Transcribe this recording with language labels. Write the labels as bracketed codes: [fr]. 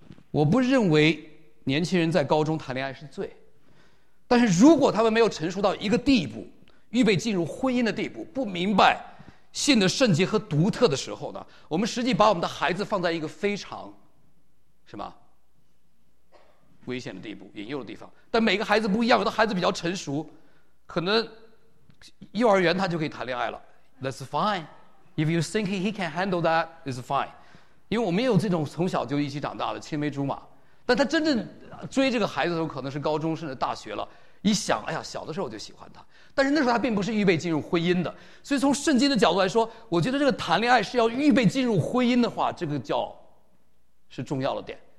[zh] 我不认为年轻人在高中谈恋爱是罪，但是如果他们没有成熟到一个地步，预备进入婚姻的地步，不明白性的圣洁和独特的时候呢，我们实际把我们的孩子放在一个非常什么危险的地步，引诱的地方。但每个孩子不一样，有的孩子比较成熟，可能幼儿园他就可以谈恋爱了。 [en] That's fine. If you think he can handle that, it's fine. [zh] 因为我们也有这种从小就一起长大的青梅竹马，但他真正追这个孩子的时候，可能是高中甚至大学了。一想，哎呀，小的时候我就喜欢他，但是那时候他并不是预备进入婚姻的。所以从圣经的角度来说，我觉得这个谈恋爱是要预备进入婚姻的话，这个叫是重要的点。